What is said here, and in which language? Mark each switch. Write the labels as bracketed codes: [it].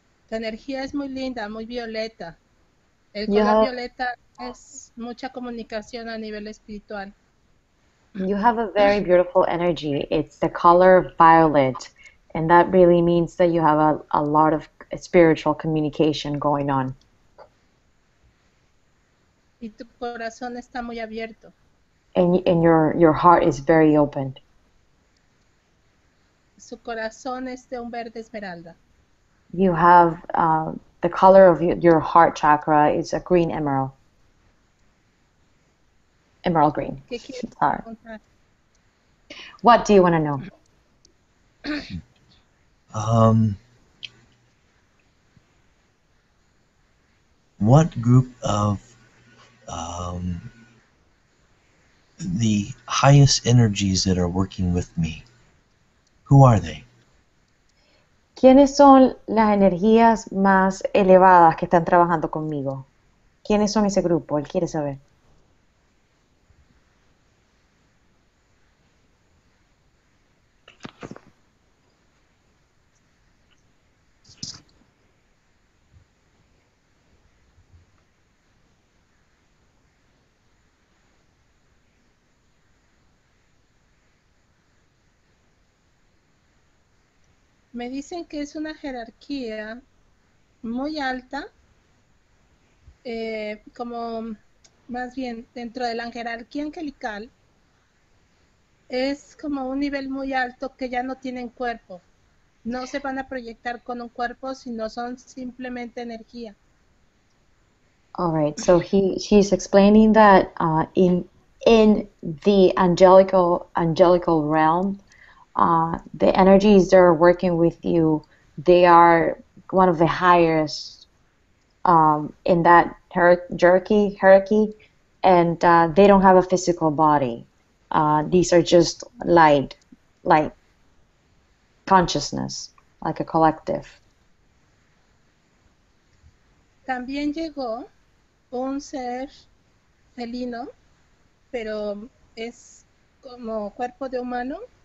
[es] La energía es muy linda, muy violeta. El color violeta es mucha comunicación a nivel espiritual. [en] You have a very beautiful energy. It's the color violet. And that really means that you have a lot of spiritual communication going on. [es] Y tu corazón está muy abierto. [en] And your heart is very open. [es] Su corazón es de un verde esmeralda. [en] You have the color of your heart chakra is a green emerald. Emerald green. [es] ¿Qué quieres preguntar? [en] What do you want to know? What group of the highest energies that are working with me? Who are they? [es] ¿Quiénes son las energías más elevadas que están trabajando conmigo? ¿Quiénes son ese grupo? Él quiere saber. Me dicen que es una jerarquía muy alta, como más bien dentro de la jerarquía angelical, es como un nivel muy alto que ya no tienen cuerpo. No se van a proyectar con un cuerpo, sino son simplemente energía. [en] All right, so she's explaining that in the angelical realm, the energies that are working with you, they are one of the highest in that hierarchy, and they don't have a physical body. These are just light consciousness, like a collective. [es] También llegó un ser felino, pero es como cuerpo de humano.